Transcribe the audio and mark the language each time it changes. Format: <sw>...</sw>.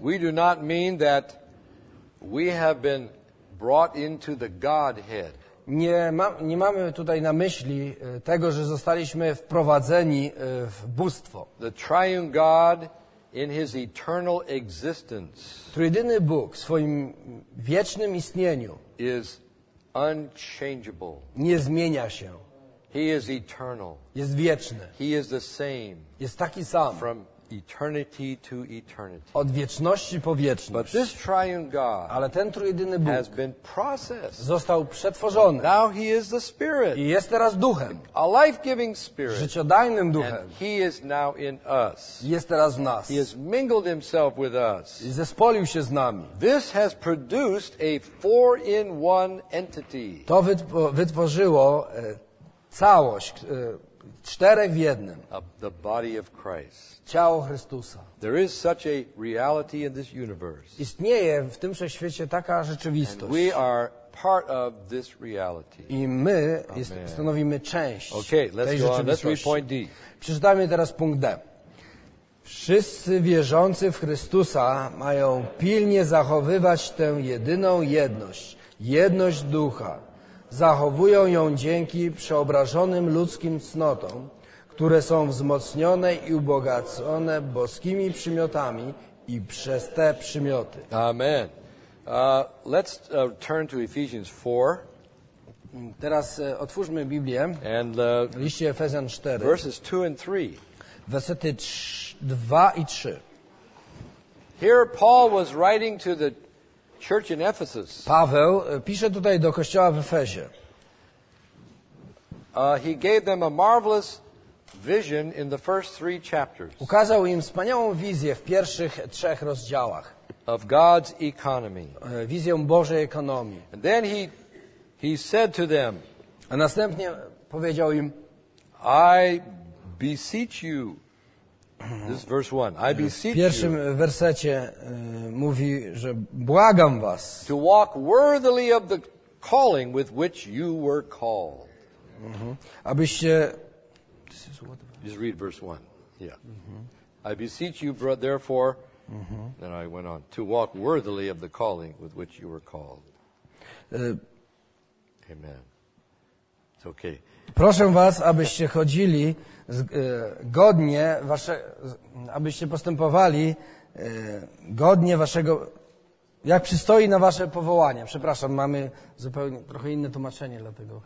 <en>we do not mean that we have been brought into the Godhead.</en> <pl>Nie mamy tutaj na myśli tego, że zostaliśmy wprowadzeni w bóstwo.</pl> <en>The triune God in his eternal existence.</en> <pl>Trójjedyny Bóg w swoim wiecznym istnieniu</pl> <en>is unchangeable.</en> <pl>Nie zmienia się.</pl> <en>He is eternal.</en> <pl>Jest wieczny.</pl> <en>He is the same.</en> <pl>Jest taki sam.</pl> <en>From eternity to eternity.</en> <pl>Od wieczności po wieczność.</pl> <en>But this triune God,</en> <pl>ale ten trójjedyny Bóg,</pl> <en>has been processed.</en> <pl>Został przetworzony.</pl> <en>Now he is the Spirit.</en> <pl>I jest teraz duchem.</pl> <en>A life-giving Spirit.</en> <pl>Życiodajnym duchem.</pl> <en>And he is now in us.</en> <pl>Jest teraz w nas.</pl> <en>He has mingled himself with us.</en> <pl>I zespolił się z nami.</pl> <en>This has produced a four-in-one entity.</en> <pl>To wytworzyło całość. Czterech w jednym.</pl> <en>The body of Christ.</en> <pl>Ciało Chrystusa.</pl> <en>There is such a reality in this universe.</en> <pl>Istnieje w tym wszechświecie taka rzeczywistość.</pl> <en>And we are part of this reality.</en> <pl>I my stanowimy część</pl> <en>okay, let's</en> <pl>tej</pl> <en>go</en> <pl>rzeczywistości.</pl> <en>On. Let's read point D.</en> <pl>Przeczytajmy teraz punkt D. Wszyscy wierzący w Chrystusa mają pilnie zachowywać tę jedyną jedność. Jedność ducha. Zachowują ją dzięki przeobrażonym ludzkim cnotom, które są wzmocnione i ubogacone boskimi przymiotami i przez te przymioty.</pl> <en>Amen. Let's turn to Ephesians 4.</en> <pl>Teraz otwórzmy Biblię.</pl> <en>And the</en> <pl>liście Efezjan 4.</pl> <en>Verses 2 and 3.</en> <pl>Wersety 2 i 3.</pl> <en>Here Paul was writing to the Church in Ephesus.</en> <pl>Paweł pisze tutaj do kościoła w Efezie.</pl> <en>He gave them a marvelous vision in the first three chapters.</en> <pl>Ukazał im wspaniałą wizję w pierwszych trzech rozdziałach.</pl> <en>Of God's economy.</en> <pl>Wizję Bożej ekonomii.</pl> <en>And then he said to them.</en> <pl>A następnie powiedział im.</pl> <en>I beseech you. This is verse one. I beseech you.</en> <pl>W pierwszym wersecie mówi, że błagam was.</pl> <en>To walk worthily of the calling with which you were called.</en> <pl>Abyście.</pl> <en>This is what. Just read verse one. Yeah. I beseech you, therefore. Then I went on to walk worthily of the calling with which you were called. Amen. It's okay.</en> <pl>Proszę was, abyście chodzili godnie wasze, abyście postępowali godnie waszego, jak przystoi na wasze powołanie. Przepraszam, mamy zupełnie trochę inne tłumaczenie dlatego.</pl>